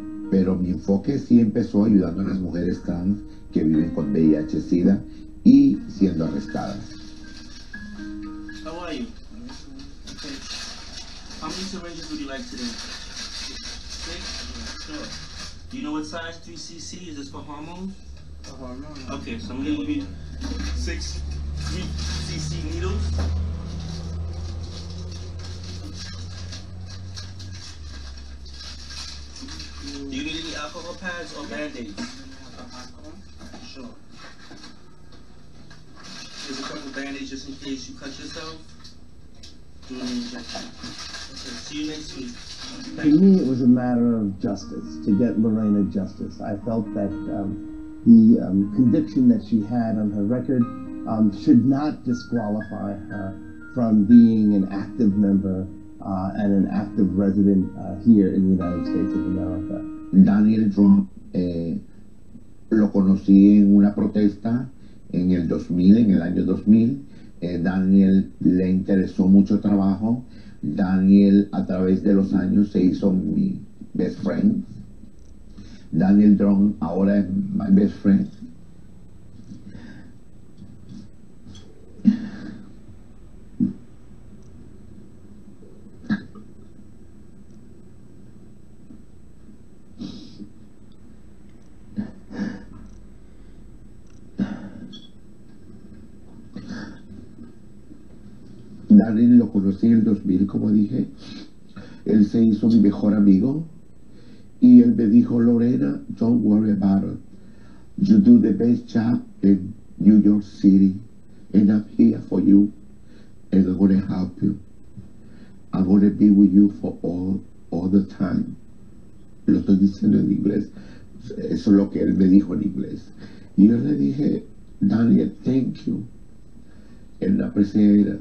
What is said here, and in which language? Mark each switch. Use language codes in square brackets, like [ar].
[es] pero mi enfoque sí empezó ayudando a las mujeres trans que viven con VIH SIDA y siendo arrestadas. [en] How are you? Okay. How many syringes would you like today? Six? Sure. Do you know what size 3cc? Is this for hormones? For hormones. Okay, so I'm going to give you 6 3cc needles. Do you need any alcohol pads or band-aids? Sure. There's a couple band-aids just in case you cut yourself. To me, it was a matter of justice, to get Lorena justice. I felt that the conviction that she had on her record should not disqualify her from being an active member and an active resident here in the United States of America. [es] Daniel Trump lo conocí en una protesta en el 2000, en el año 2000. Daniel le interesó mucho trabajo. Daniel, a través de los años, se hizo mi [en] best friend. Daniel Drone [es] ahora es [en] my best friend. [es] Daniel lo conocí en el 2000, como dije. Él se hizo mi mejor amigo y él me dijo, Lorena, [en] don't worry about it. You do the best job in New York City and I'm here for you and I'm going to help you. I'm going to be with you for all the time. [es] Lo estoy diciendo en inglés. Eso es lo que él me dijo en inglés. Y yo le dije, Daniel, [en] thank you. [es] Él me apreciaba.